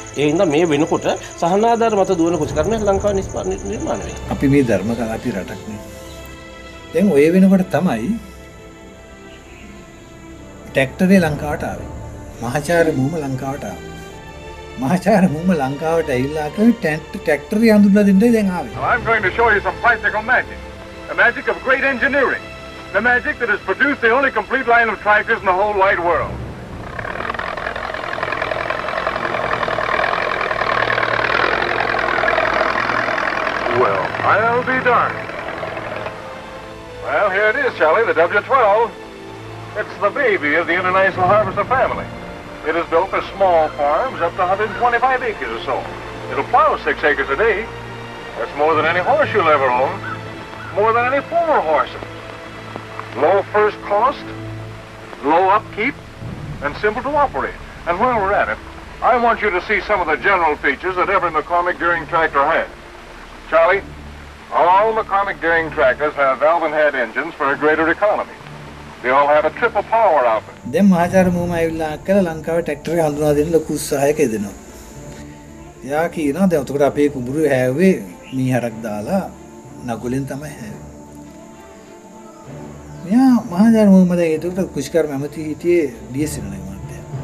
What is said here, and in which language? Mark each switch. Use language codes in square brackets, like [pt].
[si] ඒ හින්දා මේ වෙනකොට සහනාධාර මත දුවන කෘෂිකර්මයක් ලංකාවේ නිර්මාණය වෙනවා. අපි මේ ධර්ම කලාපී රටක් නේ. දැන් ඔය වෙනකොට තමයි ට්‍රැක්ටරේ ලංකාවට ආවේ. මහාචාර්ය මුම ලංකාවට ආවේ. මහාචාර්ය මුම ලංකාවට ඇවිල්ලා කරේ ට්‍රැක්ටර් යඳුන දෙන්නයි දැන් ආවේ. [en] I'm going to show you some practical magic. The magic of great engineering. The magic that has produced the only complete line of tractors in the whole wide world. Well, I'll be darned. Well, here it is, Charlie, the W12. It's the baby of the International Harvester family. It is built for small farms up to 125 acres or so. It'll plow 6 acres a day. That's more than any horse you'll ever own. More than any former horses. Low first cost, low upkeep, and simple to operate. And while we're at it, I want you to see some of the general features that every McCormick Deering tractor has. Charlie, all McCormick Deering tractors have valve and head engines for a greater economy. They all have a triple power output. [si] දැන් මහාචාර්ය මුම ඇවිල්ලා අක්කලා ලංකාවේ ට්‍රැක්ටරේ හඳුනා දෙන්න ලොකු උත්සාහයක යෙදෙනවා. එයා කියනවා දැන් එතකොට අපේ කුඹුරු හැවෙ මීහරක් දාලා නගුලෙන් තමයි හැවෙ. මෙයා මහාචාර්ය මුම දැන් එතකොට කෘෂිකර්ම ඇමති හිටියේ ඩීසෙනගේ මාත්‍යා.